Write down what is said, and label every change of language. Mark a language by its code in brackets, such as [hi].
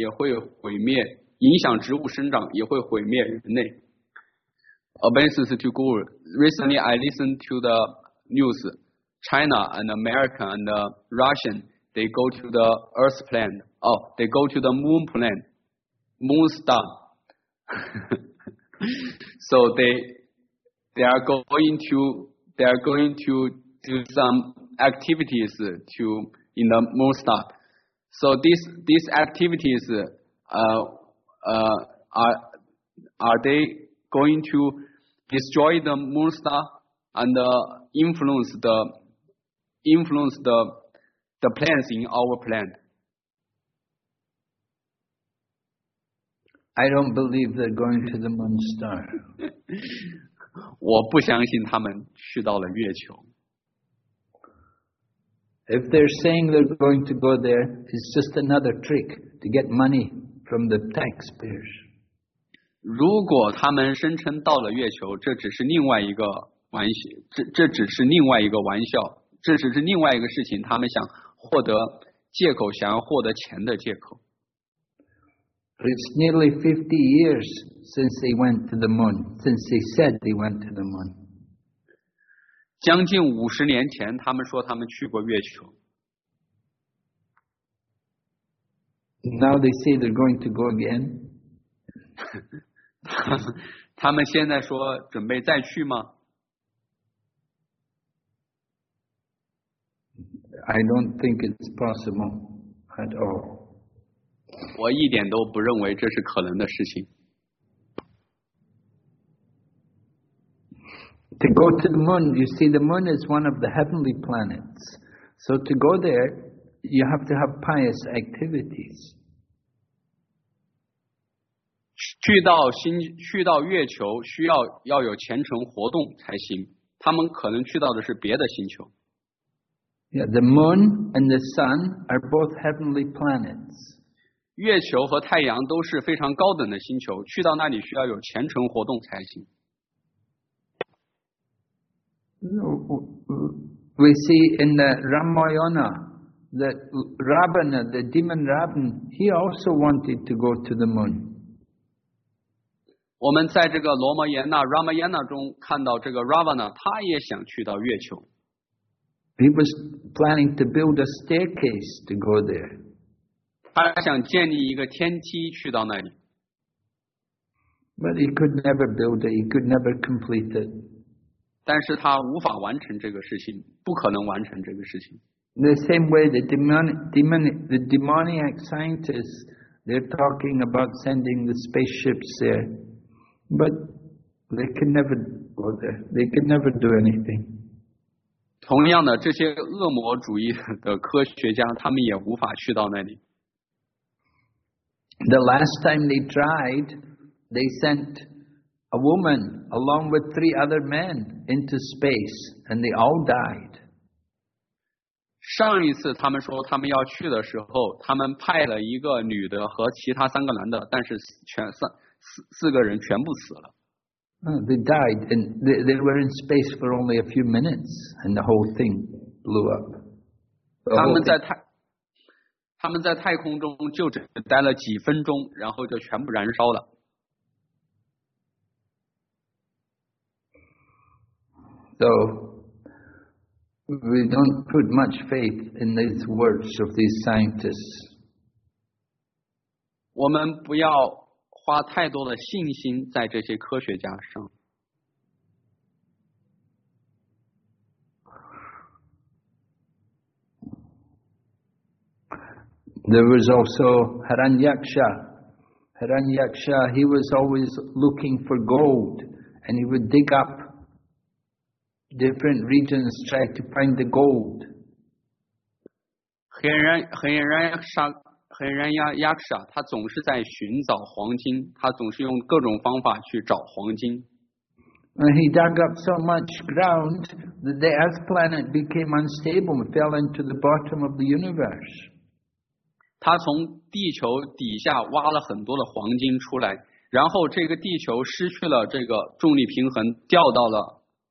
[zh] 影响植物生长也会毁灭人类。 [en] Obeisances to Guru. Recently, I listened to the news. China and American and Russian, they go to the Earth plane. Oh, they go to the Moon plane, Moon star. So they are going to do some activities to in the Moon star. So these activities, are they going to destroy the Moon star and influence the plans in our plan? I don't believe they're going to the moon star. [zh] 我不相信他们去到了月球。 [en] If they're saying they're going to go there, it's just another trick to get money from the taxpayers. [zh] 如果他们声称到了月球，这只是另外一个玩笑。这只是另外一个事情，他们想获得借口，想要获得钱的借口。 [en] It's nearly 50 years since they went to the moon, since they said they went to the moon. [zh] 将近50年前，他们说他们去过月球。 [en] Now they say they're going to go again. [zh] 他们现在说准备再去吗？ [en] I don't think it's possible at all. [zh] 我一点都不认为这是可能的事情。 [en] To go to the moon, you see, the moon is one of the heavenly planets. So to go there, you have to have pious activities. [zh] 去到月球需要有虔诚活动才行。他们可能去到的是别的星球。 [en] Yeah, the moon and the sun are both heavenly planets. [zh] 月球和太阳都是非常高等的星球，去到那里需要有虔诚活动才行。 [en] We see in the Ramayana that Ravana, the demon Ravana, he also wanted to go to the moon. [zh] 我们在这个罗摩衍那 Ramayana 中看到这个 Ravana, 他也想去到月球。 [en] He was planning to build a staircase to go there. [zh] 他想建立一个天梯去到那里。 [en] But he could never build it, he could never complete it. [zh] 但是他无法完成这个事情，不可能完成这个事情。 [en] The same way the demoniac scientists, they're talking about sending the spaceships there, but they can never go there. They can never do anything. [zh] 同样的，这些恶魔主义的科学家，他们也无法去到那里。 [en] The last time they tried, they sent. A woman along with three other men into space, and they all died. [zh] 上一次他们说他们要去的时候，他们派了一个女的和其他三个男的，但是四个人全部死了。 [en] They died, and they were in space for only a few minutes, and the whole thing blew up. [zh] 他们在太空中就只待了几分钟，然后就全部燃烧了。 [en] So, we don't put much faith in these words of these scientists. [zh] 我们不要花太多的信心在这些科学家上。 [en] There was also Hiranyaksha. Hiranyaksha, he was always looking for gold, and he would dig up. Different regions try to find the gold. [zh] Hiranyaksha, 他总是在寻找黄金，他总是用各种方法去找黄金。 [en] And he dug up so much ground that the Earth planet became unstable and fell into the bottom of the universe. [zh] 他从地球底下挖了很多的黄金出来，然后这个地球失去了这个重力平衡，掉到了。